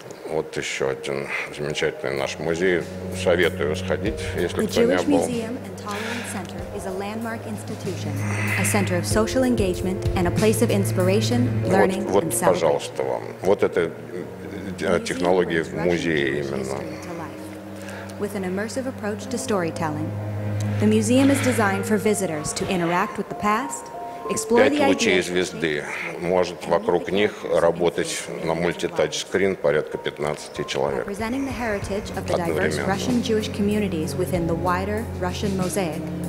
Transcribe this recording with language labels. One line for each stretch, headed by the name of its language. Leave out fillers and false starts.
Russian: Вот еще один замечательный наш музей. Советую сходить, если кто не был.
English: The Jewish Museum and Tolerance Center is a landmark institution, a center of social engagement and a place of inspiration, learning and celebration.
Russian: Вот, пожалуйста, вам. Вот это технологии в музее именно.
English: With an immersive approach to storytelling, the museum is designed for visitors to interact with the past.
Russian: 5 лучей звезды. Может вокруг них работать на мультитач-скрин порядка 15 человек одновременно.